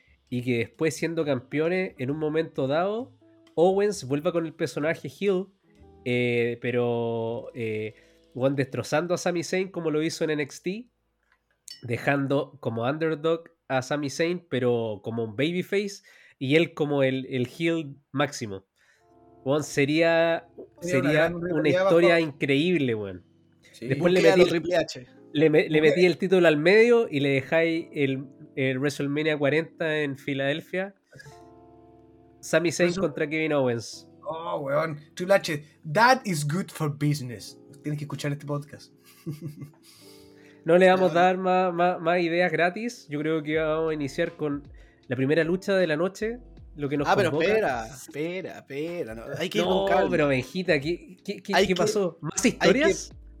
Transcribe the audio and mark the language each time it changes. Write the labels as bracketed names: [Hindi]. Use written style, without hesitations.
[Spanish] Y que después, siendo campeones, en un momento dado, Owens vuelva con el personaje heel, pero Juan destrozando a Sami Zayn como lo hizo en NXT, dejando como underdog a Sami Zayn, pero como un babyface, y él como el heel máximo. Juan sería una historia bajo. Increíble, Juan. Sí. Después le metí Triple H. Le metí el título al medio y le dejáis el WrestleMania 40 en Filadelfia. Sami Zayn contra Kevin Owens. Oh, weón. [English] Triple H, that is good for business. [Spanish] Tienes que escuchar este podcast. No le vamos a dar más ideas gratis. Yo creo que vamos a iniciar con la primera lucha de la noche. Lo que nos convoca. Pero espera. No, hay que ir con calma. Pero Benjita, ¿qué pasó? ¿Más historias?